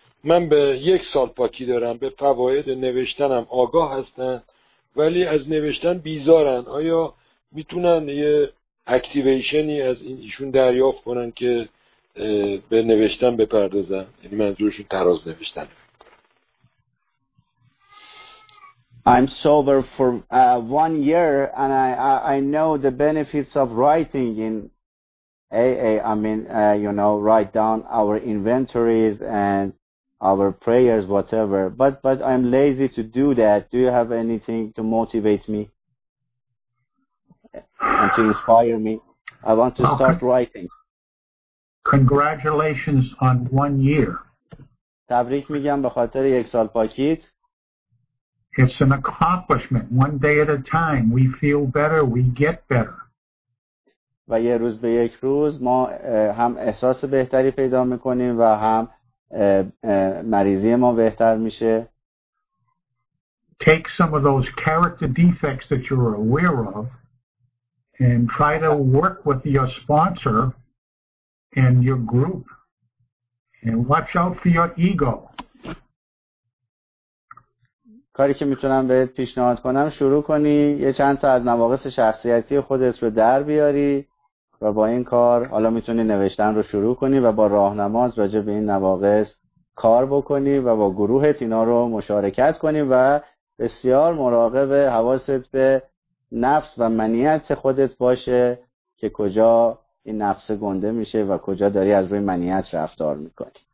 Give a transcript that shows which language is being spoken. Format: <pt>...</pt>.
<fa>من به یک سال پاکی دارم، به فواید نوشتنم آگاه هستن، ولی از نوشتن بیزارن. آیا میتونن یه اکتیویشنی از ایشون دریافت کنن که به نوشتن بپردازن؟ یعنی منظورشون تراز نوشتن.</fa> <en>I'm sober for 1 year and I know the benefits of writing in AA. I mean, you know, write down our inventories and our prayers, whatever. But I'm lazy to do that. Do you have anything to motivate me and to inspire me? I want to start writing. Congratulations on 1 year.</en> <fa>تبریک میگم به خاطر یک سال پاکیت.</fa> <en>It's an accomplishment. One day at a time, we feel better, we get better.</en> <fa>و یه روز به یک روز ما هم احساس بهتری پیدا میکنیم و هم مریضی ما بهتر میشه.</fa> <en>Take some of those character defects that you're aware of and try to work with your sponsor and your group and watch out for your ego.</en> <fa>کاری که میتونم بهت پیشنهاد کنم، شروع کنی یه چند تا از نواقص شخصیتی خودت رو در بیاری و با این کار حالا میتونی نوشتن رو شروع کنی و با راهنماز راجع به این نواقص کار بکنی و با گروهت اینا رو مشارکت کنی و بسیار مراقب حواست به نفس و منیت خودت باشه که کجا این نفس گنده میشه و کجا داری از روی منیت رفتار میکنی.</fa>